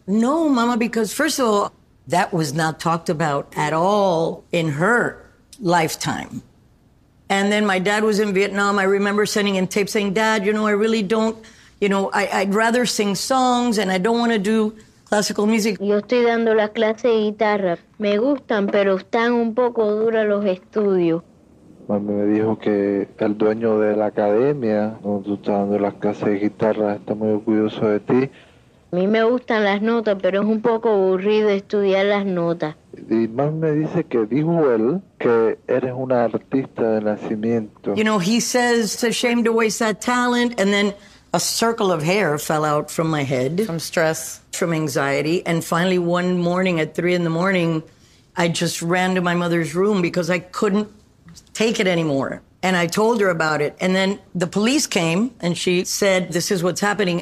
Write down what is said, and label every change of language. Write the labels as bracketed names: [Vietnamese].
[English] No, Mama, because first of all, that was not talked about at all in her lifetime. And then my dad was in Vietnam. I remember sending him tapes saying, Dad, you know, I really don't, you know, I'd rather sing songs and I don't want to do classical music. [Spanish] Yo estoy dando la clase de guitarra. Me gustan, pero están un poco duros los estudios. Mami me dijo que el dueño de la academia donde tú estás dando las clases de guitarra está muy orgulloso de ti. A mí me gustan las notas, pero es un poco aburrido estudiar las notas. Y mami me dice que dijo él que eres una artista de nacimiento. [English] You know, he says it's a shame to waste that talent, and then a circle of hair fell out from my head. From stress. From anxiety. And finally, one morning at 3 a.m, I just ran to my mother's room because I couldn't take it anymore. And I told her about it. And then the police came and she said, this is what's happening.